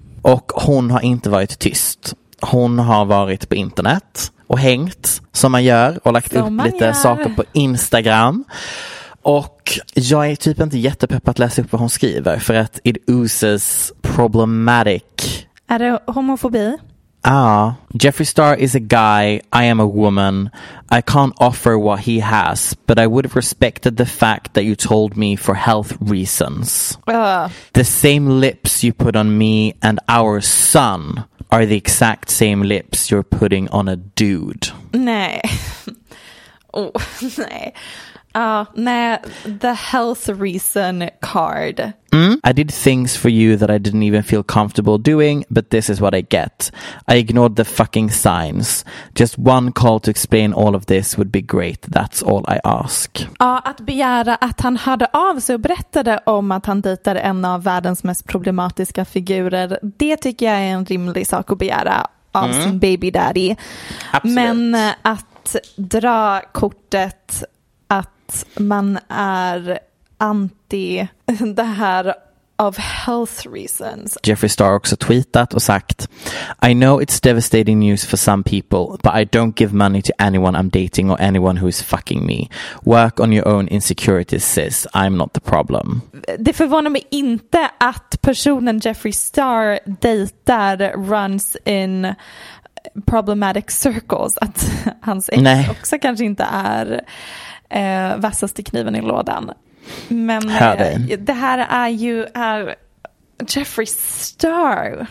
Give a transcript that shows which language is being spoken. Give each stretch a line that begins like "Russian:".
Swedish: Och hon har inte varit tyst. Hon har varit på internet och hängt som man gör och lagt upp lite saker på Instagram. Och jag är typ inte jättepepp att läsa upp vad hon skriver, för att
English: it oozes problematic.
Swedish: Är det homofobi?
English: Ah, Jeffree Star is a guy, I am a woman, I can't offer what he has, but I would have respected the fact that you told me for health reasons. The same lips you put on me and our son are the exact same lips you're putting on a dude. Nej. Oh, nej. Ah, nej, the health reason card. I did things for you that I didn't even feel comfortable doing, but this is what I get. I ignored the fucking signs. Just one call to explain all of this would be great. That's all I ask.
Swedish: Ja, att begära att han hörde av sig och berättade om att han dejtar en av världens mest problematiska figurer. Det tycker jag är en rimlig sak att begära av sin baby daddy. Absolut. Men att dra kortet att man är anti det här
English: of health reasons.
Swedish: Jeffree Star också tweetat och sagt,
English: I know it's devastating news for some people, but I don't give money to anyone I'm dating or anyone who is fucking me. Work on your own insecurities, sis. I'm not the problem.
Swedish: Det förvånar mig inte att personen Jeffree Star dejtar
English: runs in problematic circles.
Swedish: Att hans ex också kanske inte är vassaste kniven i lådan. Men det här är ju Jeffree Star.